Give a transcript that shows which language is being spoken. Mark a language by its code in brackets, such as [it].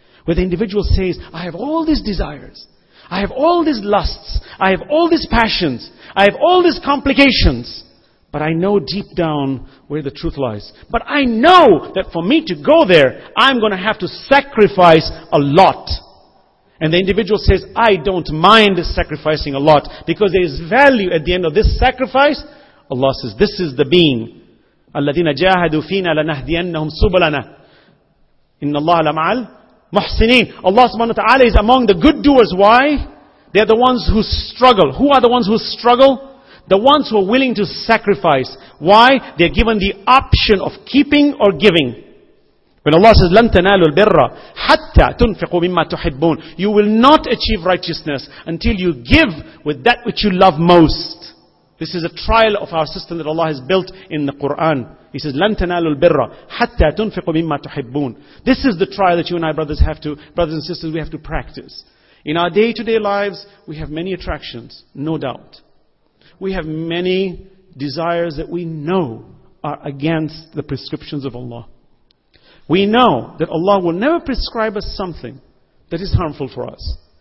[en] Where the individual says, I have all these desires. I have all these lusts, I have all these passions, I have all these complications, but I know deep down where the truth lies. But I know that for me to go there, I'm going to have to sacrifice a lot. And the individual says, I don't mind sacrificing a lot, because there is value at the end of this sacrifice. Allah says, this is the being. [ar] الَّذِينَ جَاهَدُوا فِينَا لَنَهْدِيَنَّهُمْ سُبُلَنَا إِنَّ اللَّهَ لَمَعَلْ Muhsineen. [en] Allah subhanahu wa ta'ala is among the good doers. Why? They are the ones who struggle. Who are the ones who struggle? The ones who are willing to sacrifice. Why? They are given the option of keeping or giving. When Allah says, لَن تَنَالُوا الْبِرَّ حَتَّى تُنْفِقُوا مِمَّا تُحِبُّونَ You will not achieve righteousness until you give with that which you love most. This is a trial of our system that Allah has built in the Quran. [ar] He says, لَن تَنَالُوا الْبِرَّ حَتَّى تُنْفِقُوا مِمَّا تُحِبُّونَ. [en] This is the trial that you and I, brothers and sisters, we have to practice. In our day-to-day lives, we have many attractions, no doubt. We have many desires that we know are against the prescriptions of Allah. We know that Allah will never prescribe us something that is harmful for us.